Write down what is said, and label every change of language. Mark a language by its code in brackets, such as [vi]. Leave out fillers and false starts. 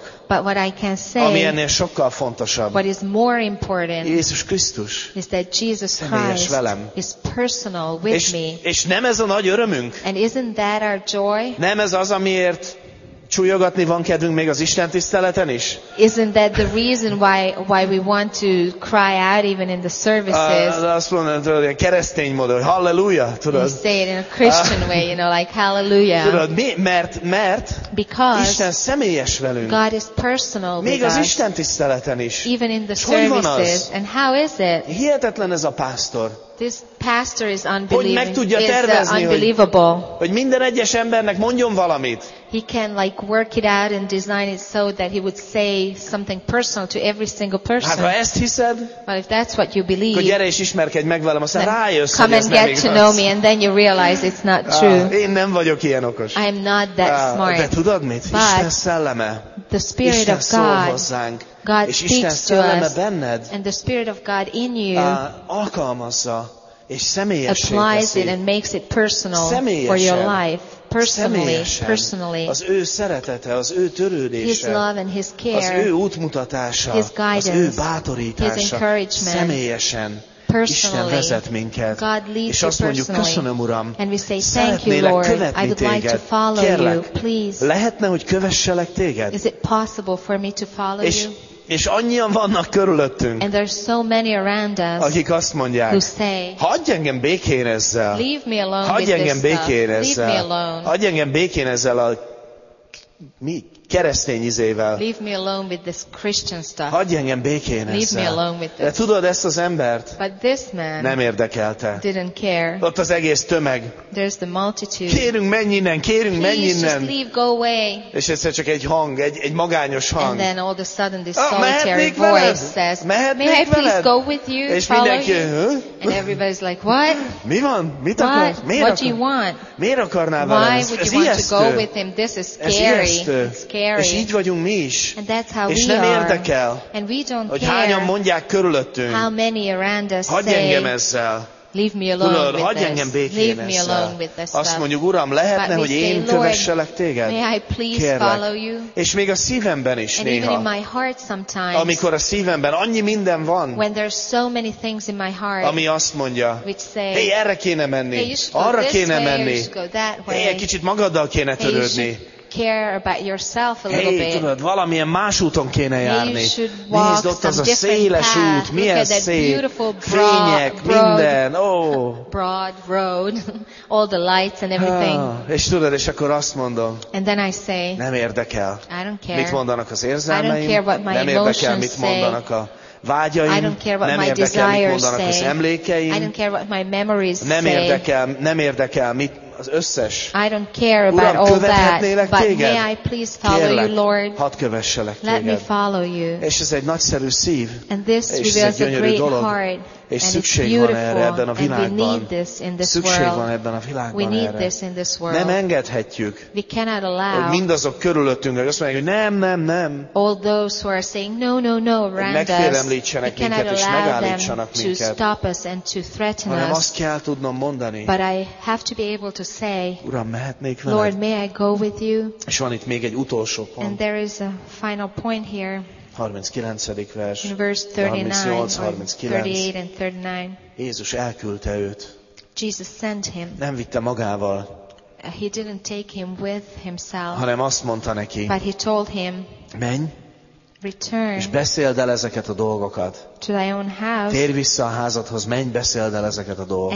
[en] Much. But what I can say, [hu] ami ennél sokkal fontosabb, [en] what is more important, [hu] Jézus Krisztus, [en] is that Jesus Christ [hu] velem, [en] is personal with [hu] és, [en] me. [hu] És nem ez a nagy örömünk? [en] And isn't that our joy? [hu] Nem ez az, amiért csúlyogatni van kedvünk még az Isten tiszteleten is? [en] Isn't that the reason why we want to cry out even in the services? [hu] Azt mondod, hogy keresztény módon, hallelujah, tudod? [en] You say it in a Christian way, you know, like hallelujah. [hu] Tudod, mert [en] because [hu] Isten személyes velünk. [en] God is personal [hu] még az Isten tiszteleten is. [en] Even in the services. And how is it? [hu] Hihetetlen ez a pásztor. [en] This pastor is unbelievable. [hu] Hogy meg tudja tervezni, hogy minden egyes embernek mondjon valamit. [en] He can like work it out and design it so that he would say something personal to every single person. [hu] Hát ha ezt hiszed, [en] but if that's what you believe, [hu] akkor gyere és ismerkedj meg velem, aztán rájössz, [en] come and get to know me and then you realize it's not true. [hu] Én nem vagyok ilyen okos. [en] I am not that smart. [hu] De tudod mit? Isten szelleme. [en] The Spirit [hu] Isten [en] of God. [hu] Szól hozzánk. [en] God [hu] és Isten szelleme benned, [en] and the Spirit of God in you [hu] alkalmazza és személyessé teszi. [en] Applies it and makes it personal for your life. Personally. [hu] Az ő szeretete, az ő törődése, [en] his love and his care, [hu] az ő útmutatása, [en] his guidance, [hu] az ő bátorítása, [en] his encouragement, [hu] személyesen Isten vezet minket. [en] God leads [hu] és azt mondjuk, köszönöm, Uram, [en] and we say, [hu] szeretnélek [en] you, Lord, [hu] követni [en] I would [hu] téged. [en] Like to follow [hu] kérlek, [en] you, please. [hu] Lehetne, hogy kövesselek téged? [en] Is it possible for me to follow [hu] és [en] you? [hu] És annyian vannak körülöttünk, [en] and there's so many around us, [hu] akik azt mondják, [en] who say, [hu] hagyj engem békén ezzel, [en] leave me alone, [hu] hagyj engem békén ezzel, [en] leave me alone, [hu] hagyj engem békén ezzel a keresztény izével, [en] leave me alone with this Christian stuff, [hu] hagyj engem békén [en] leave [hu] ezzel, [en] me alone with this. [hu] De tudod, ezt az embert, [en] but this man [hu] nem érdekelte, [en] didn't care. [hu] Ott az egész tömeg, [en] there's the multitude, [hu] kérünk menj innen, kérünk [en] please, [hu] menj innen, [en] just leave, go away. [hu] És egyszer csak egy hang, egy magányos hang, [en] and then all of a sudden this solitary voice says, [hu] mehetnék [en] may I please [hu] veled? [en] Go with you, [hu] és mindenki, [en] you? And everybody's like, what? [hu] Mi van? Mit [en] what? [hu] Akar? Miért [en] what do you want? [hu] Miért akarnál [en] why [hu] velem? [en] Would [hu] ez [en] you want [hu] ijesztő. [en] To go with him? This is scary. Scary. [hu] És így vagyunk mi is. [en] And that's how [hu] és [en] we [hu] nem [en] are. [hu] Érdekel, [en] and we don't [hu] hogy [en] care [hu] hányan mondják körülöttünk. [en] How many around us [hu] hagyj [en] say, [hu] engem ezzel. [en] Leave me alone [hu] tudod, [en] with [hu] hagyj [en] this. [hu] Engem békén [en] leave [hu] ezzel. [en] Me alone with this [hu] azt mondjuk, Uram, lehetne, hogy én [en] say, [hu] kövesselek téged? [en] May I please [hu] kérlek. [en] Follow you? [hu] És még a szívemben is [en] and [hu] néha. [en] Even in my heart sometimes, [hu] amikor a szívemben annyi minden van, [en] when there are so many things in my heart, [hu] ami azt mondja, [en] which say, [hu] hey, erre kéne menni, [en] hey, you should go [hu] arra [en] this [hu] kéne [en] way, [hu] menni, [en] hey, [hu] egy kicsit magaddal kéne törődni. [en] Care about yourself a little hey, bit. [hu] Tudod, valamilyen más úton kéne járni. [en] Hey, you should walk [hu] nézd, ott [en] some [hu] az a széles [en] path. [hu] Út, milyen [en] look at that [hu] szép, [en] beautiful [hu] fények, [en] broad, [hu] minden. Oh. [en] Broad road, all the lights and everything. [hu] És tudod, és akkor azt mondom, [en] and then I say, [hu] nem érdekel, [en] I don't care. [hu] Mit mondanak az érzelmeim, [en] I don't care what my [hu] nem érdekel, mit mondanak a vágyaim, [en] I don't care what [hu] nem [en] my [hu] érdekel, mit mondanak [en] say. [hu] Az emlékeim, [en] I don't care what my memories [hu] nem [en] say. [hu] Érdekel, nem érdekel, mit az összes. [en] I don't care about [hu] Uram, [en] all that, [hu] téged? [en] But may I please follow [hu] kérlek, [en] you, Lord? [hu] Hadd kövesselek téged. [en] Let me follow you. [hu] És ez egy nagyszerű szív, [en] and this reveals a great heart. [hu] És szükség van erre ebben a világban. [en] And we need this in this [hu] szükség [en] world. [hu] Van ebben a világban [en] we need [hu] erre. [en] This in this world. [hu] Nem engedhetjük, [en] we cannot allow, [hu] hogy mindazok körülöttünk, hogy azt mondják, hogy nem. [en] All those who are saying no, no, no, around us. [hu] Megfélemlítsenek minket, [en] cannot allow them to stop us and to threaten us. [hu] Hanem azt kell tudnom mondani. [en] But I have to be able to say, [hu] Uram, mehetnék veled? [en] Lord, may I go with you? [hu] És van itt még egy utolsó pont. [en] And there is a final point here. [hu] 39. vers, [en] in verse 38 and 39. [hu] Jézus elküldte őt. [en] Jesus sent him. [hu] Nem vitte magával. [en] He didn't take him with himself. [hu] Hanem azt mondta neki. [en] But he told him. [hu] Menj. [en] Return. [hu] És beszéld el ezeket a dolgokat. [en] To thy own house. [hu] Térj vissza a házadhoz, menj, beszéld el ezeket a dolgokat.